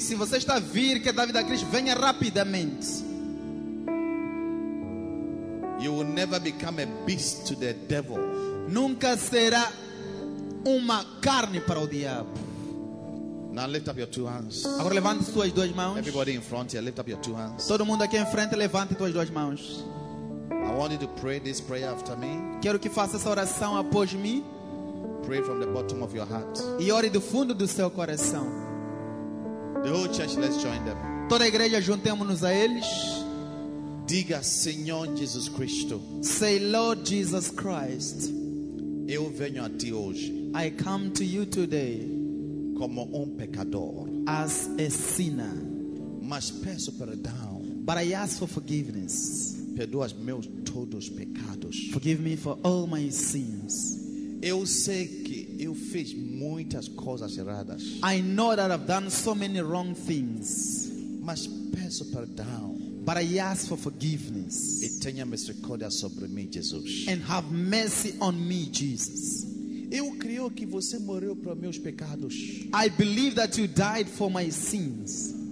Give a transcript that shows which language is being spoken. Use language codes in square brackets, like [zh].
[pt] Se você está a vir, quer dar vida a Cristo, venha rapidamente. [en] You will never become a beast to the devil. [pt] Nunca será uma carne para o diabo. [en] Now lift up your two hands. [pt] Agora levante suas duas mãos. [en] Everybody in front here, lift up your two hands. [pt] Todo mundo aqui em frente, levante suas duas mãos. [en] I want you to pray this prayer after me. [pt] Quero que faça essa oração após mim. [en] Pray from the bottom of your heart. [pt] E ore do fundo do seu coração. [en] The whole church, let's join them. [pt] Toda a igreja, juntemo-nos a eles. Diga, Senhor Jesus Cristo. [en] Say, Lord Jesus Christ. [pt] Eu venho a ti hoje. [en] I come to you today. [pt] Como pecador. [en] As a sinner. [pt] Mas peço perdão. [en] But I ask for forgiveness. [pt] Perdoa os meus todos pecados. [en] Forgive me for all my sins. [pt] Eu sei que eu fiz muitas coisas erradas. [en] I know that I've done so many wrong things. [pt] Mas peço perdão. [en] But I ask for forgiveness. [pt] E tenha misericórdia sobre mim, Jesus. [en] And have mercy on me, Jesus. [pt] Eu creio que você morreu para meus pecados. [en] I believe that you died for my sins.